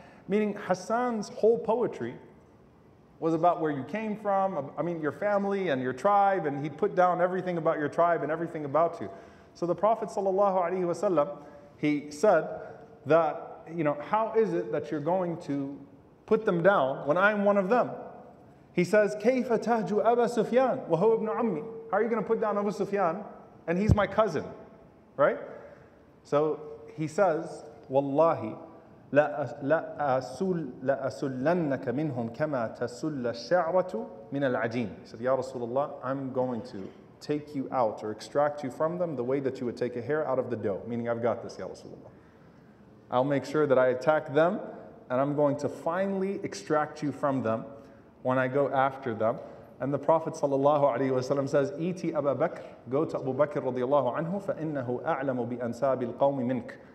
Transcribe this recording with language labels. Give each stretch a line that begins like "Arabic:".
English: Meaning Hassan's whole poetry was about where you came from, I mean your family and your tribe, and he put down everything about your tribe and everything about you. So the Prophet sallallahu alaihi wasallam, he said that, you know, how is it that you're going to put them down when I'm one of them? He says,
Arabic: كَيْفَ تَهْجُوا أَبَا سُفْيَانَ وَهُوَ ابْنُ عَمِّي.
English: How are you going to put down Abu Sufyan, and he's my cousin, right? So he says,
Arabic: وَاللَّهِ لَأَسُلَّنَّكَ مِنْهُمْ كَمَا تَسُلَّ الشَّعْرَةُ مِنَ الْعَجِينِ.
English: He said, Ya Rasulullah, I'm going to take you out or extract you from them the way that you would take a hair out of the dough, meaning I've got this, Ya Rasulullah. I'll make sure that I attack them, and I'm going to finally extract you from them when I go after them. And the Prophet sallallahu alaihi wasallam says,
Arabic: "Iti Abu Bakr,
English: go to Abu Bakr radiallahu anhu,
Arabic: fa innahu a'lamu bi ansabi al-qawmi mink."